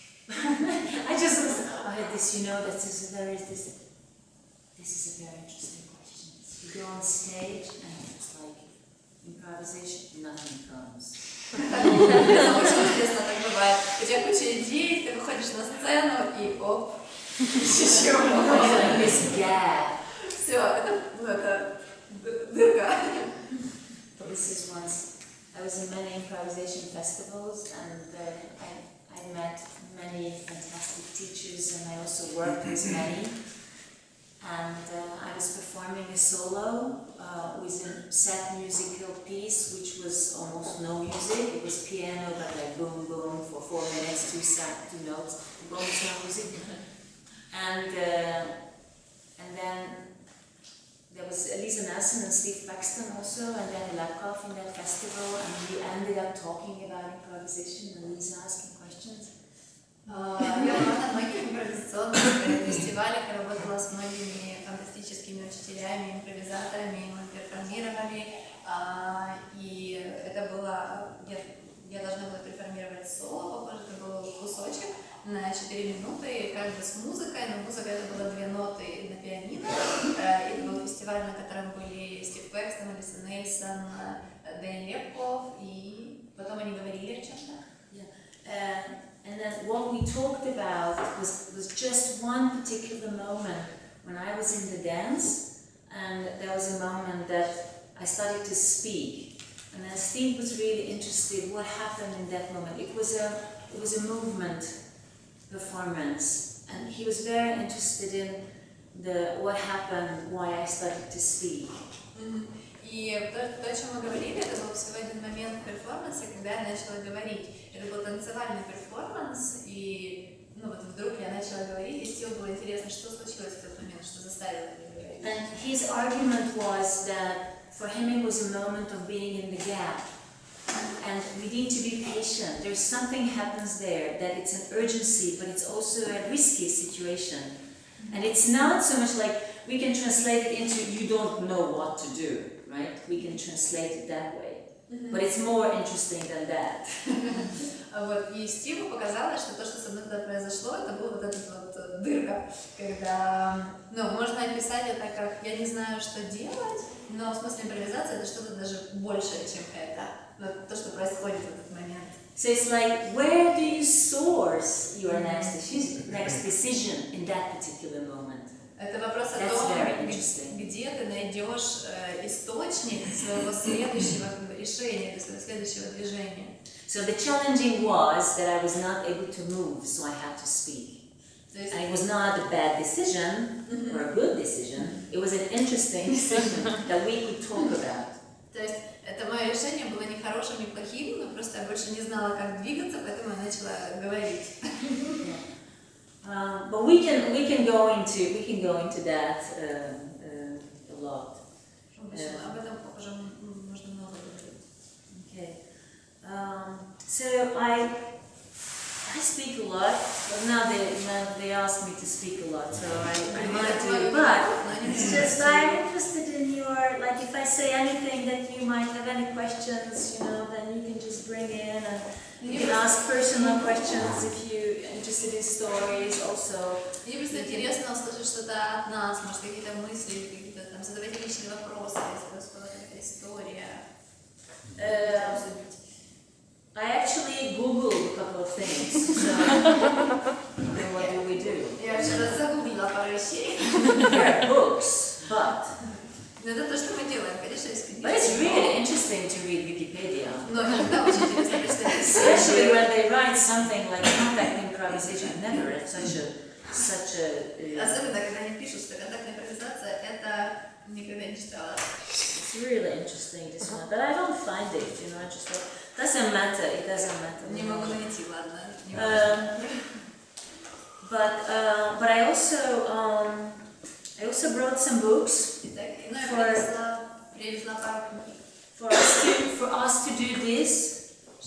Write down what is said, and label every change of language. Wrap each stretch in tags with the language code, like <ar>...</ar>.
<en>I had this, you know, this is a very interesting question. You go on stage and it's like improvisation, nothing comes.</en> <ru>Очень интересно, так бывает. У тебя куча идей, ты выходишь на оп, еще можно. Все, это дырка.</ru> <en>This is once I was in many improvisation festivals and I met many fantastic teachers and I also worked with many. And I was performing a solo with a set musical piece, which was almost no music. It was piano, but like boom, boom, for 4 minutes, two notes, almost no music. And then there was Elisa Nelson and Steve Paxton also, and then Lepkoff in that festival, and we ended up talking about improvisation, and Elisa asking questions.</en> <ru>Я была на многих импровизационных фестивалях и работала с многими фантастическими учителями, импровизаторами, мы перформировали. И это было... Я должна была перформировать соло, похоже, это был кусочек на 4 минуты, как бы с музыкой, но музыка это было 2 ноты на пианино. Это был фестиваль, на котором были Стив Пэкстон, Алиса Нельсон, Дэн Лепков, и потом они говорили о чем-то.</ru> <en>And then what we talked about was just one particular moment when I was in the dance, and there was a moment that I started to speak, and then Steve was really interested what happened in that moment. It was a movement performance, and he was very interested in the what happened, why I started to speak.</en> <ru>И то, о чем мы говорили, это был всего один момент перформанса, когда я начала говорить. Это был танцевальный перформанс, и ну, вот вдруг я начала говорить, и Стиву было интересно, что случилось в тот момент, что заставило меня говорить.</ru> <en>And his argument was that for him it was a moment of being in the gap. And we need to be patient. There's something happens there, that it's an urgency, but it's also a risky situation. And it's not so much like we can translate it into you don't know what to do. Right? We can translate it that way. Mm-hmm. But it's more interesting than that.</en> <ru>Вот, и Стиву показалось, что то, что со мной тогда произошло, это была вот эта вот дырка, когда... Ну, можно описать это как «я не знаю, что делать», но в смысле импровизации это что-то даже большее, чем это. Вот то, что происходит в этот момент.</ru> <en>So it's like, where do you source your next decision in that particular moment?</en> <ru>Это вопрос о том, где ты найдешь источник своего следующего решения, то есть следующего движения.</ru> <en>So the challenging was that I was not able to move, so I had to speak. And it was not a bad decision or a good decision. It was an interesting decision that we could talk about.</en> <ru>То есть это мое решение было не хорошим, не плохим, но просто я больше не знала, как двигаться, поэтому я начала говорить.</ru> <en>But we can go into that a lot.</en> <ru>Об этом уже можно много говорить.</ru> <en>Okay. So I speak a lot, but now they ask me to speak a lot, so I wanted to. But it's just I'm interested in your, like, if I say anything that you might have any questions, you know, then you can just bring in and. You can ask personal questions if you're interested in stories also.</en> <ru>Мне просто интересно услышать что-то от нас, может, какие-то мысли, какие-то там задавать личные вопросы, если у вас была какая-то история.</ru> <en>I actually googled a couple of things, so then what do we do?</en> <ru>Я вчера загуглила пару вещей.</ru> <en>Books, but...</en> <ru>Но это то, что мы делаем, конечно, из книги.</ru> <en>But it's really interesting to read Wikipedia.</en> <ru>Но это очень интересно.</ru> <en>Especially when they write something like contact improvisation. I've never read such a...</en> <ru>Особенно, когда они пишут, что контактная импровизация, это никогда не читала.</ru> <en>It's really interesting, this one. But I don't find it, you know, I just thought... It doesn't matter.</en> <ru>Не могу найти, ладно.</ru> <en>But I also brought some books for us to do this.</en>